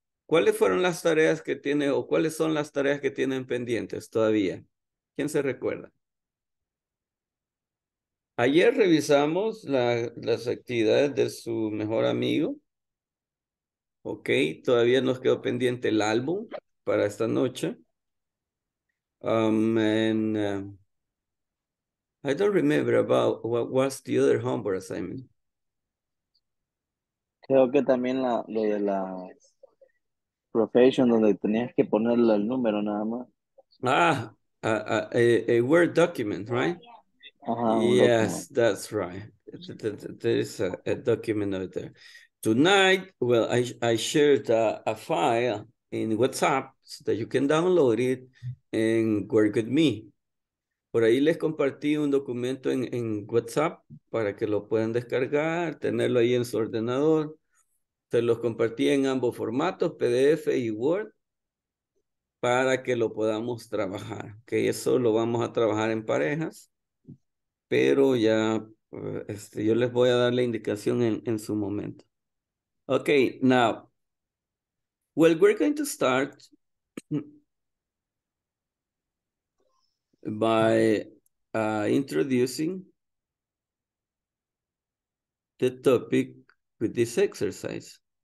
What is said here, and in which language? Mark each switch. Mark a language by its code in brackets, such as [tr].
[es] ¿Cuáles fueron las tareas que tiene o cuáles son las tareas que tienen pendientes todavía? ¿Quién se recuerda? Ayer revisamos las actividades de su mejor amigo. Ok, todavía nos quedó pendiente el álbum para esta noche. [en] I don't remember about what was the other homework assignment. [es] Creo que también lo de la profession donde tenías que ponerle el número nada más. [en] Ah, a Word document, right? Yes, that's right. There is a document out there. Tonight, well, I shared a file in WhatsApp so that you can download it and work with me. [es] Por ahí les compartí un documento en WhatsApp para que lo puedan descargar, tenerlo ahí en su ordenador. Se los compartí en ambos formatos, PDF y Word, para que lo podamos trabajar. Okay, eso lo vamos a trabajar en parejas. Pero ya, yo les voy a dar la indicación en su momento. [en] Okay, now, well, we're going to start by introducing the topic with this exercise.